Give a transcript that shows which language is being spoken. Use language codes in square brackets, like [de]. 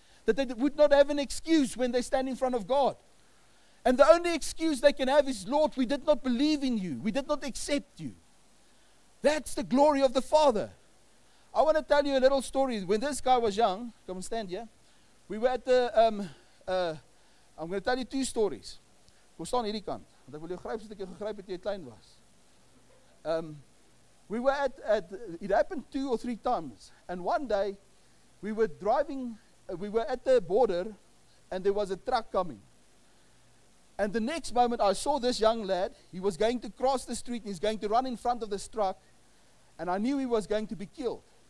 [en] That they would not have an excuse when they stand in front of God. And the only excuse they can have is, Lord, we did not believe in you. We did not accept you. That's the glory of the Father. I want to tell you a little story. When this guy was young, come and stand here. We were at the, I'm going to tell you two stories. [af] We're staan hierdie kant. Want ek wil jou gryp soos ek jou gegryp het toe jy klein was. [en] We were at it happened 2 or 3 times. And one day, we were driving, we were at the border, and there was a truck coming. And the next moment I saw this young lad, he was going to cross the street, and he's going to run in front of this truck, and I knew he was going to be killed.